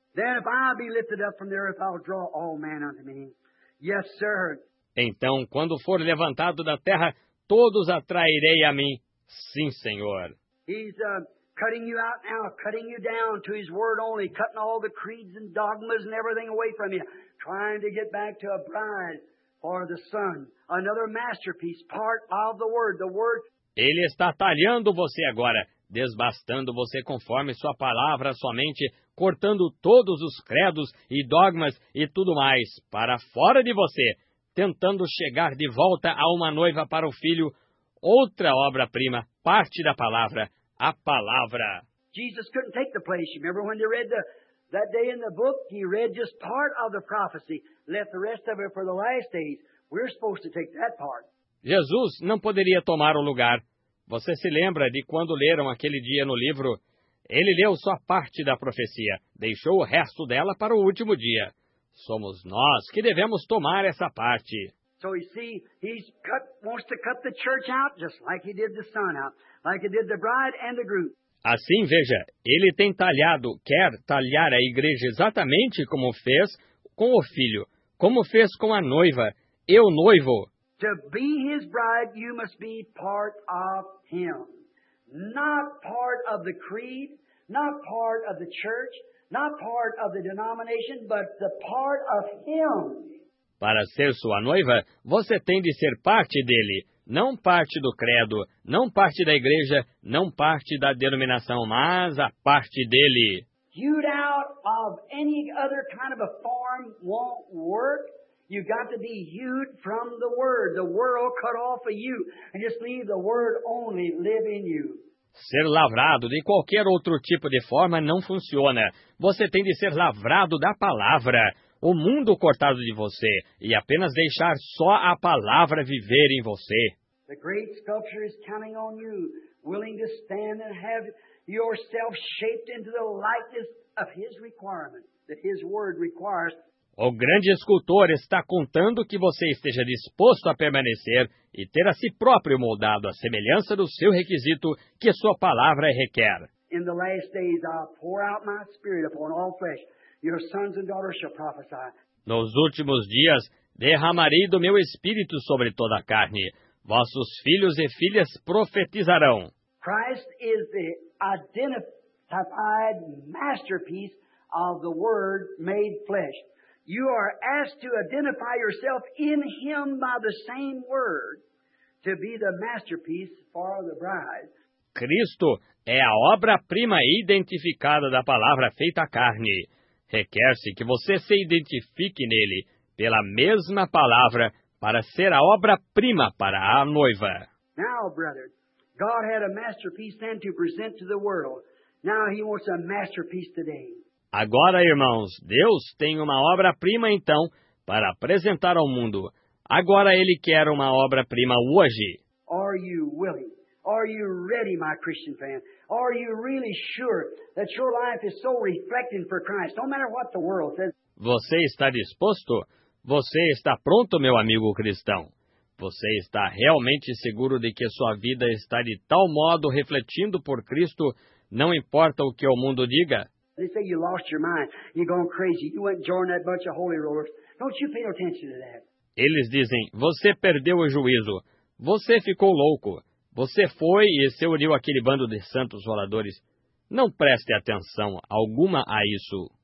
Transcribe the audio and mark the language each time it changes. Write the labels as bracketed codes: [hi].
[en] Then if I be lifted up from there, if I'll draw all men unto me. Yes, sir. [pt] Então, quando for levantado da terra, todos atrairei a mim. Sim, Senhor. [en] He's cutting you out now, cutting you down to his word only, cutting all the creeds and dogmas and everything away from you, trying to get back to a bride for the Son, another masterpiece, part of the word, the word. [pt] Ele está talhando você agora, desbastando você conforme sua palavra somente, cortando todos os credos e dogmas e tudo mais para fora de você, tentando chegar de volta a uma noiva para o Filho, outra obra-prima, parte da palavra, a palavra. [en] Jesus couldn't take the place. Remember when he read that day in the book, he read just part of the prophecy, left the rest of it for the last days. We're supposed to take that part. [pt] Jesus não poderia tomar o lugar. Você se lembra de quando leram aquele dia no livro? Ele leu só parte da profecia, deixou o resto dela para o último dia. Somos nós que devemos tomar essa parte. [en] So you see, he's cut, wants to cut the church out, just like he did the son out, like he did the bride and the groom. [pt] Assim, veja, ele tem talhado, quer talhar a igreja exatamente como fez com o filho, como fez com a noiva e o noivo. [en] To be his bride, you must be part of him, not part of the creed, not part of the church, not part of the denomination, but the part of him. [pt] Para ser sua noiva, você tem de ser parte dele, não parte do credo, não parte da igreja, não parte da denominação, mas a parte dele. [en] Hewed out of any other kind of a form won't work. You got to be hewed from the Word, the world cut off of you, and just leave the Word only live in you. [pt] Ser lavrado de qualquer outro tipo de forma não funciona. Você tem de ser lavrado da palavra, o mundo cortado de você, e apenas deixar só a palavra viver em você. [en] The great sculptor is counting on you, willing to stand and have yourself shaped into the likeness of his requirement, that his word requires. [pt] O grande escultor está contando que você esteja disposto a permanecer e ter a si próprio moldado à semelhança do seu requisito que sua palavra requer. [en] In the last days I pour out my spirit upon all flesh. Your sons and daughters shall prophesy. [pt] Nos últimos dias derramarei do meu espírito sobre toda a carne. Vossos filhos e filhas profetizarão. [en] Christ is the identified masterpiece of the Word made flesh. You are asked to identify yourself in him by the same word to be the masterpiece for the bride. [pt] Cristo é a obra-prima identificada da palavra feita carne. Requer-se que você se identifique nele pela mesma palavra para ser a obra-prima para a noiva. [en] Now, brother, God had a masterpiece then to present to the world. Now he wants a masterpiece today. [pt] Agora, irmãos, Deus tem uma obra-prima, então, para apresentar ao mundo. Agora Ele quer uma obra-prima hoje. [en] Are you willing? Are you ready, my Christian friend? Are you really sure that your life is so reflecting for Christ, no matter what the world says? [pt] Você está disposto? Você está pronto, meu amigo cristão? Você está realmente seguro de que sua vida está de tal modo refletindo por Cristo, não importa o que o mundo diga? [en] They say you lost your mind. You're going crazy. You went and joined that bunch of holy rollers. Don't you pay no attention to that. [pt] Eles dizem, você perdeu o juízo. Você ficou louco. Você foi e se uniu àquele bando de santos roladores. Não preste atenção alguma a isso.